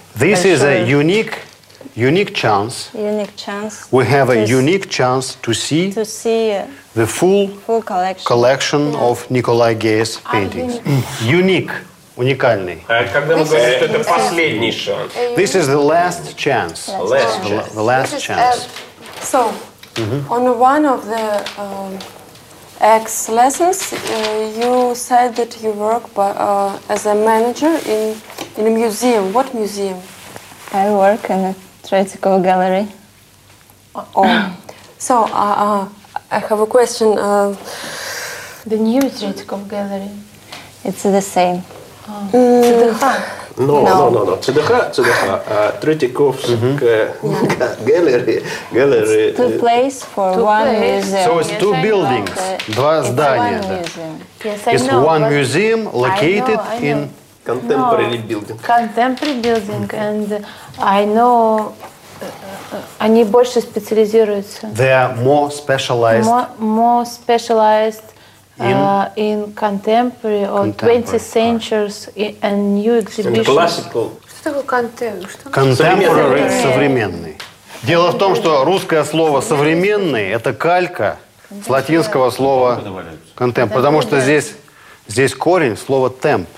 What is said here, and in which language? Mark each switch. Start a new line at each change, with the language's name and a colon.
English: This is a unique. Unique chance. Unique chance. We have a unique chance to see the full collection of Nikolai Gier's paintings. Unique. Уникальный.
Russian: Когда мы говорим, что это последний шанс.
English: This is the last chance. The last chance. So, on one of the X lessons, you said that you work as a manager in a museum. What museum? I work in a Tretyakov Gallery. Oh. So, I have a question. The new Tretikov gallery. It's the same. No, CDH. Tretikov's gallery. Gallery. It's two place for two one place. Museum. So it's yes, two I buildings, два здания. It's one museum. Yes, I know. It's one museum located in contemporary building. Contemporary building, and I know.
Russian: Они больше специализируются.
English: They are more specialized. More specialized. In contemporary or 20th centuries and new exhibitions. Classical.
Russian: Что такое contemporary? Contemporary – современный. Дело в том, что русское слово «современный» – это калька с латинского слова «contemp». Потому что здесь корень слова «temp».